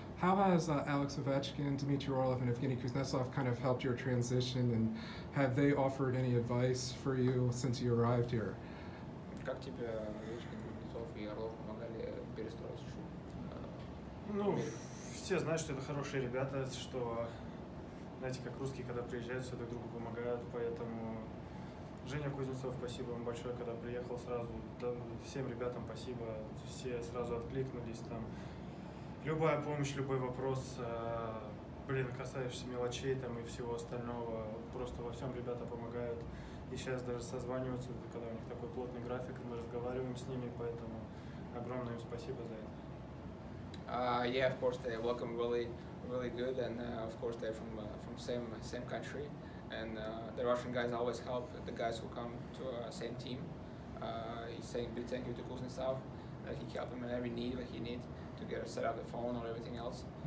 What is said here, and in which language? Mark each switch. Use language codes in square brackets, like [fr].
[en] How has Alex Ovechkin, Dmitry Orlov, and Evgeny Kuznetsov kind of helped your transition, and have they offered any advice for you since you arrived here? [ru] Как тебе Овечкин, Кузнецов и Орлов помогали перестроиться? Ну, все знают, что это хорошие ребята, что, знаете, как русские, когда приезжают, все друг другу помогают, поэтому Женя Кузнецов, спасибо вам большое, когда приехал сразу, да, всем ребятам спасибо, все сразу откликнулись там. Любая помощь, любой вопрос, блин, касаешься мелочей там и всего остального, просто во всем ребята помогают. И сейчас даже созваниваются, когда у них такой плотный график, мы разговариваем с ними, поэтому огромное им спасибо за это. [en] Yeah, of course, they welcome really, really good, and of course they're from same country, and the Russian guys always help the guys who come to the same team. He's saying big thank you to Kuznetsov, that he helped him in every need that he needs to get set up the phone or everything else.